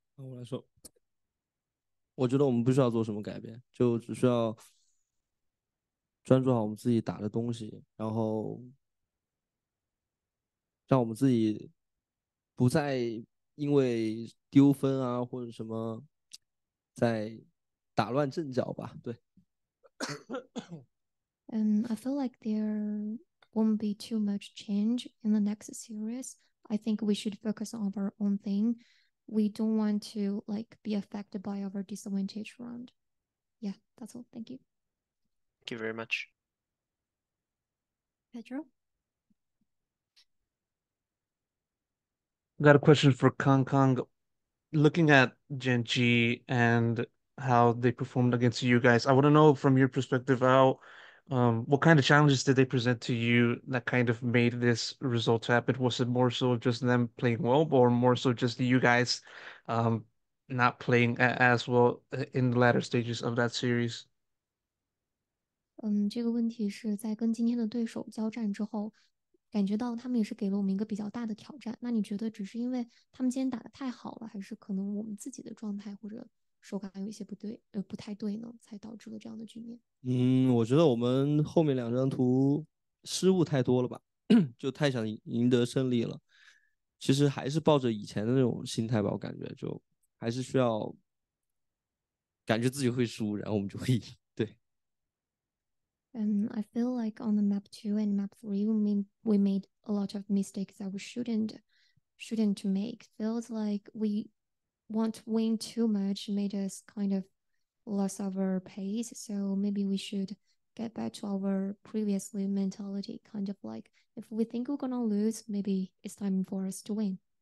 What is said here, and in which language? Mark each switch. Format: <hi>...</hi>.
<zh>那我来说，我觉得我们不需要做什么改变，就只需要专注好我们自己打的东西，然后让我们自己不再因为丢分啊或者什么在打乱阵脚吧。对。</zh> <en>I feel like there won't be too much change in the next series. I think we should focus on our own thing. We don't want to like be affected by our disadvantage round. Yeah, that's all. Thank you. Thank you very much. Pedro? I got a question for Kong Kong. Looking at Gen.G and how they performed against you guys, I want to know from your perspective how, what kind of challenges did they present to you that kind of made this result happen? Was it more so just them playing well, or more so just you guys, not playing as well in the latter stages of that series?</en> <zh>这个问题是在跟今天的对手交战之后，感觉到他们也是给了我们一个比较大的挑战。那你觉得只是因为他们今天打得太好了，还是可能我们自己的状态或者手感有一些不对，不太对呢，才导致了这样的局面？我觉得我们后面两张图失误太多了吧，就太想赢得胜利了。其实还是抱着以前的那种心态吧，我感觉就还是需要感觉自己会输，然后我们就会赢。</zh> <en>I feel like on the map 2 and map 3, we made a lot of mistakes that we shouldn't make. Feels like we want to win too much, made us kind of lose our pace. So maybe we should get back to our previously mentality, kind of like if we think we're gonna lose, maybe it's time for us to win.</en>